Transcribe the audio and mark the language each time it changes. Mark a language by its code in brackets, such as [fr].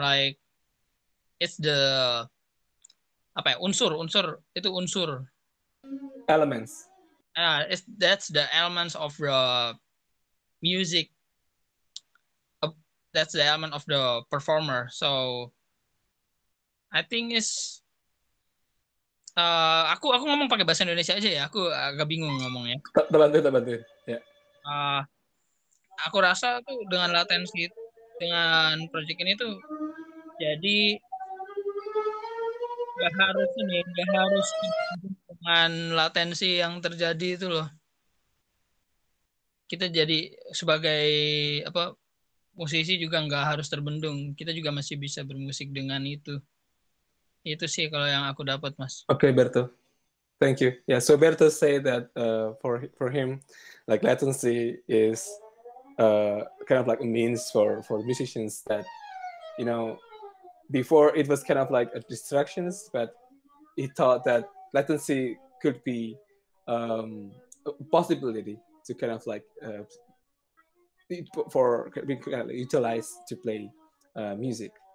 [en] Like it's the [id] apa ya, unsur itu unsur [en] elements. That's the elements of the music. That's the element of the performer. So I think it's [id] aku ngomong pakai bahasa Indonesia aja ya, aku agak bingung ngomongnya. Terbantu ya. Aku rasa tuh dengan latensi dengan project ini tuh jadi nggak harus dengan latensi yang terjadi itu loh. Kita jadi sebagai apa musisi juga nggak harus terbendung, kita juga masih bisa bermusik dengan itu. Itu sih kalau yang aku dapat, Mas. [en] Okay, Berto. Thank you. Yeah, so Berto say that for him, like latency is kind of like a means for musicians that, you know, before it was kind of like a distractions, but he thought that latency could be a possibility to kind of like for being utilized to play music.